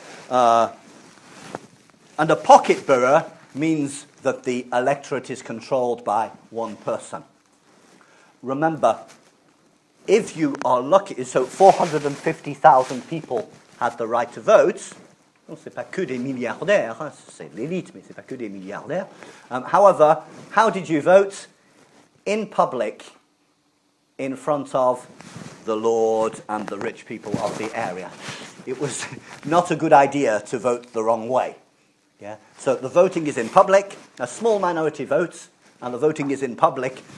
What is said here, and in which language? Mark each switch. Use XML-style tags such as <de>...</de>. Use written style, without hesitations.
<en>And a pocket borough means that the electorate is controlled by one person. Remember, if you are lucky, so 450,000 people had the right to vote.</en> <fr>Bon, c'est pas que des milliardaires, hein, c'est l'élite, mais c'est pas que des milliardaires.</fr> <en>However, how did you vote? In public, in front of the lord and the rich people of the area. It was not a good idea to vote the wrong way. Yeah. So the voting is in public, a small minority votes, and the voting is in public.</en>